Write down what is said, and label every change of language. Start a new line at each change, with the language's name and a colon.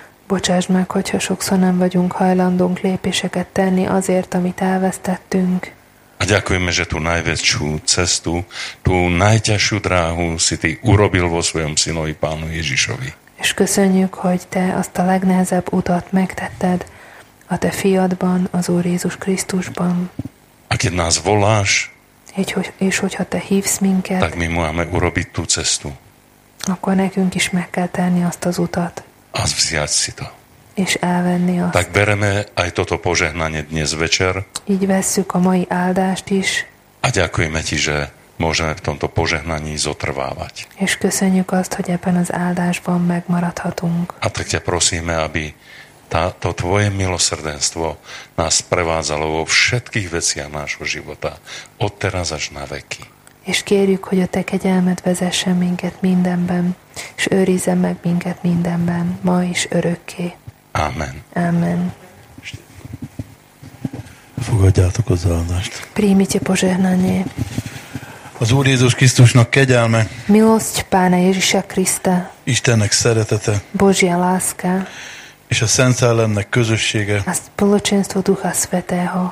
Hungarian: Bocsáss meg, hogyha sokszor nem vagyunk hajlandunk lépéseket tenni azért, amit elvesztettünk.
Slovak: A ďakujeme, že tú najväčšiu cestu, tú najťažšiu dráhu si ty urobil vo svojom synovi Pánu Ježišovi.
Hungarian: És köszönjük, hogy te azt a legnehezebb utat megtetted a te fiadban, az Úr Jézus Krisztusban.
Slovak: A keď nás voláš,
Hungarian: és hogyha te hívsz minket,
Slovak: tak mi máme urobiť tú cestu.
Hungarian: Akkor nekünk is meg kell tenni azt az utat.
Slovak: A vziať si to.
Hungarian: És elvenni azt.
Slovak: Tak bereme aj toto požehnanie dnes večer.
Hungarian: Így vesszük a mai áldást is.
Slovak: A ďakujeme ti, že môžeme v tomto požehnaní zotrvávať.
Hungarian: És köszönjük azt, hogy ebben az áldásban megmaradhatunk.
Slovak: A tak ťa prosíme, aby to tvoje milosrdenstvo nás prevádzalo vo všetkých veciach nášho života, od teraz až na veky.
Hungarian: És kérjük, hogy a te kegyelmed vezessen minket mindenben, és őrizzen meg minket mindenben, ma is örökké.
Slovak: Amen.
Hungarian: Amen. Fogadjátok az áldást.
Slovak: Prímite požehnanie.
Hungarian: Az Úr Jézus Krisztusnak kegyelme.
Slovak: Milosť Pána Ježiša Krista.
Hungarian: Istennek szeretete.
Slovak: Božia láska.
Hungarian: És a Szent Szellemnek közössége.
Slovak: A spoločenstvo Ducha Svätého.